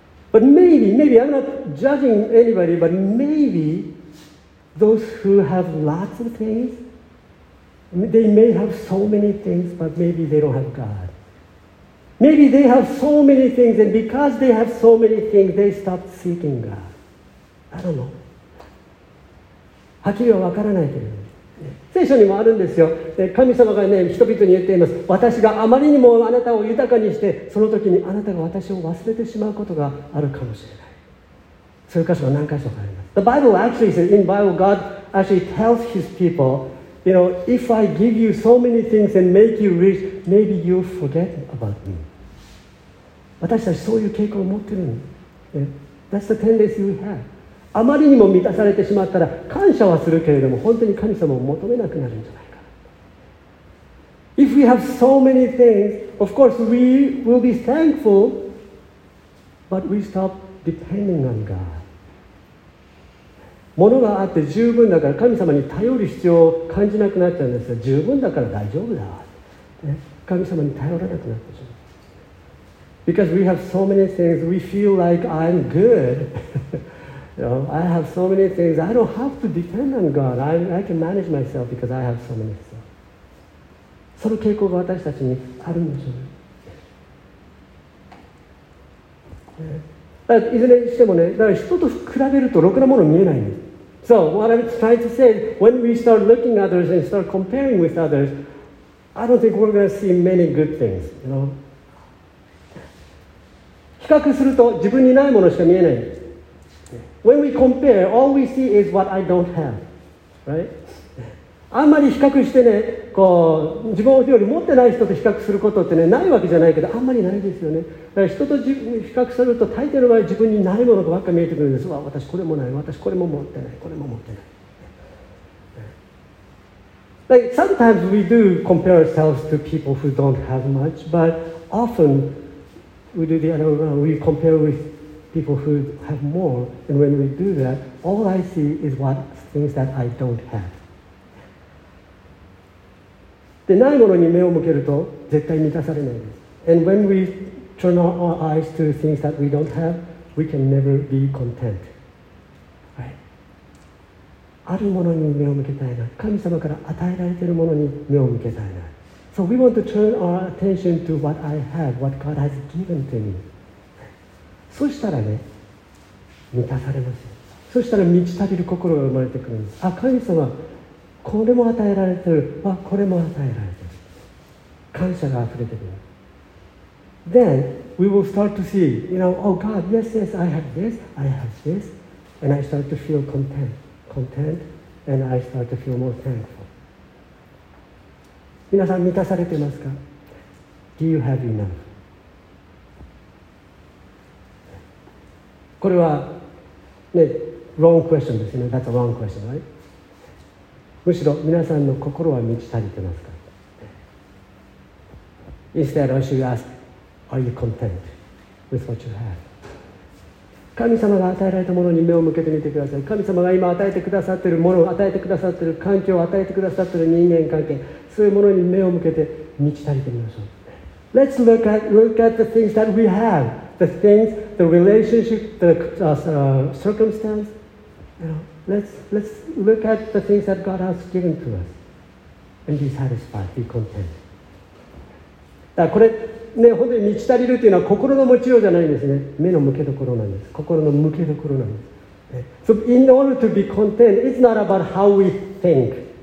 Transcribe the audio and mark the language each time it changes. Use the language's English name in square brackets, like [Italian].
[English] But maybe I'm not judging anybody, but maybe those who have lots of things, they may have so many things, but maybe they don't have God Maybe they have so many things, and because they have so many things, they stop seeking God. I don't know. [Japanese] はっきりは分からないけど、ね、聖書にもあるんですよ。で神様が、ね、人々に言っています。私があまりにもあなたを豊かにして、その時にあなたが私を忘れてしまうことがあるかもしれない。そういう箇所は何箇所かあります。 [English] The Bible actually says, in Bible, God actually tells his people, you know, if I give you so many things and make you rich,Maybe you forget about me. [Japanese] 私たちそういう傾向を持ってるの。 [English] That's the tendency we have. [Japanese] あまりにも満たされてしまったら感謝はするけれども本当に神様を求めなくなるんじゃないか。 [English] If we have so many things, of course we will be thankful, but we stop depending on God. [Japanese] 物があって十分だから神様に頼る必要を感じなくなっちゃうんですよ。十分だから大丈夫だ。神様に頼らなくなってしまう。 [English] Because we have so many things, we feel like I'm good. you know, I have so many things, I don't have to depend on God. I can manage myself because I have so many things. [Japanese] その傾向が私たちにあるんでしょうね。いずれにしてもね、だから人と比べるとろくなもの見えないんです。 [English] So what I'm trying to say, when we start looking at others and start comparing with others,I don't think we're going to see many good things, you know? [Japanese] 比較すると自分にないものしか見えない。 [English] When we compare, all we see is what I don't have, right? [Japanese] あんまり比較してね、こう自分より持ってない人と比較することってね、ないわけじゃないけど、あんまりないですよね。だから人と比較すると大抵の場合自分にないものばっかり見えてくるんです。わ、私これもない、私これも持ってない、これも持ってない。 [English] Like, sometimes we do compare ourselves to people who don't have much, but often we do the other way. We compare with people who have more, and when we do that, all I see is what things that I don't have. [Japanese] で、ないものに目を向けると絶対満たされないです。 [English] And when we turn our eyes to things that we don't have, we can never be content. [Japanese] あるものに目を向けたいな。神様から与えられているものに目を向けたいな。 [English] So we want to turn our attention to what I have, what God has given to me. [Japanese] そしたらね、満たされますよ。そしたら満ち足りる心が生まれてくるんです。あ、神様、これも与えられてる、あ、これも与えられてる、感謝があふれてくる。 [English] Then we will start to see, you know, oh God, yes, yes, I have this, I have this, and I start to feel content, and I start to feel more thankful. [Japanese] 皆さん満たされてますか？ [English] Do you have enough? [Japanese] これはね、 [English] wrong question [Japanese] ですね。 [English] That's a wrong question, right? [Japanese] むしろ皆さんの心は満ち足りてますか？ [English] Instead, I should ask, are you content with what you have? [Japanese] 神様が与えられたものに目を向けてみてください。神様が今与えてくださっているもの、与えてくださっている環境、与えてくださっている人間関係、そういうものに目を向けて満ち足りてみましょう。 [English] Let's look at the things that we have. The things, the relationship, the circumstance. You know, let's look at the things that God has given to us and be satisfied, be content. [Japanese] だからこれ、ね、本当に満ち足りるというのは心の持ちようじゃないんですね。目の向けどころなんです。心の向けどころなんです。 [English] So in order to be content, it's not about how we think.